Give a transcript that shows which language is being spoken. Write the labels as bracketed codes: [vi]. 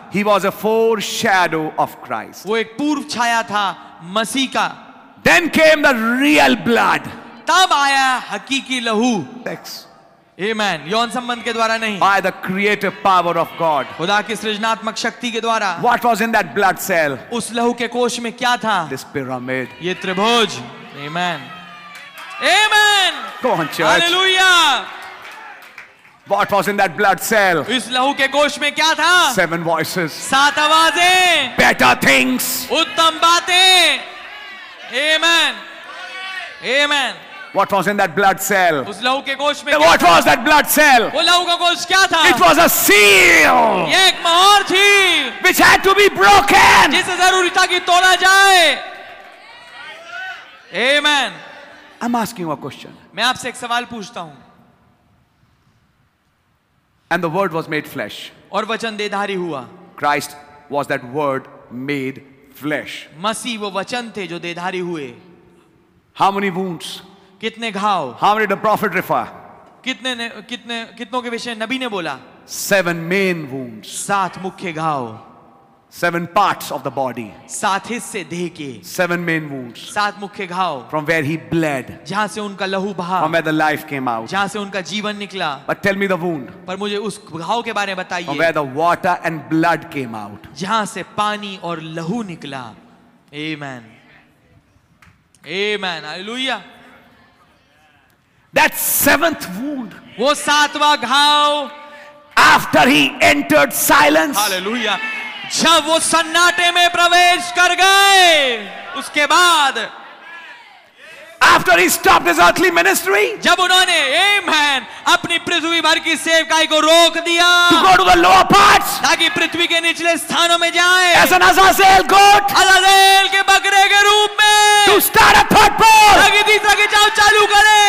[en] He was a foreshadow of Christ. [hi] वो एक पूर्व छाया था मसीह का [en] Then came the real blood. [hi] तब आया हकीकी लहू [en] Sex. Amen. [hi] यौन संबंध के द्वारा नहीं [en] By the creative power of God. [hi] खुदा की सृजनात्मक शक्ति के द्वारा [en] What was in that blood cell? [hi] उस लहू के कोश में क्या था [en] This pyramid. [hi] ये त्रिभुज Amen. Amen. [en] Go on, church. Hallelujah. What was in that blood cell? [hi] इस लहू के कोश में क्या था? [en] Seven voices. [hi] सात आवाजें. [en] Better things. [hi] उत्तम बातें. Amen. Amen. [en] What was in that blood cell? [hi] उस लहू के कोश में. [en] What was that blood cell? [hi] वो लहू का कोश क्या था? [en] It was a seal. [hi] ये एक मोहर थी. [en] Which had to be broken. [hi] जिसे जरूरी था कि तोड़ा जाए. Amen. [en] I'm asking a question. [hi] मैं आपसे एक सवाल पूछता हूँ. [en] And the word was made flesh. [hi] और वचन देहधारी हुआ. [en] Christ was that word made flesh. [hi] मसीह वो वचन थे जो देहधारी हुए. [en] How many wounds? [hi] कितने घाव? [en] How many did the prophet refer? [hi] कितनों के विषय नबी ने बोला? [en] Seven main wounds. [hi] सात मुख्य घाव. [en] Seven parts of the body. [hi] सात हिस्से देह के. [en] Seven main wounds. [hi] सात मुख्य घाव. [en] From where he bled. [hi] जहाँ से उनका लहू बहा. [en] From where the life came out. [hi] जहाँ से उनका जीवन निकला. [en] But tell me the wound. [hi] पर मुझे उस घाव के बारे में बताइए. [en] From where the water and blood came out. [hi] जहाँ से पानी और लहू निकला. Amen. Amen. Hallelujah. [en] That seventh wound. [hi] वो सातवां घाव. [en] After he entered silence. Hallelujah. [hi] जब वो सन्नाटे में प्रवेश कर गए उसके बाद [en] After he stopped his earthly ministry, [hi] जब उन्होंने Amen, अपनी पृथ्वी भर की सेवकाई को रोक दिया [en] to go to the lower parts, [hi] ताकि पृथ्वी के निचले स्थानों में जाए [en] as an Azazel goat, [hi] अजाज़ेल के बकरे के रूप में [en] to start a third pole, [hi] ताकि तीसरा खिंचाव चालू करे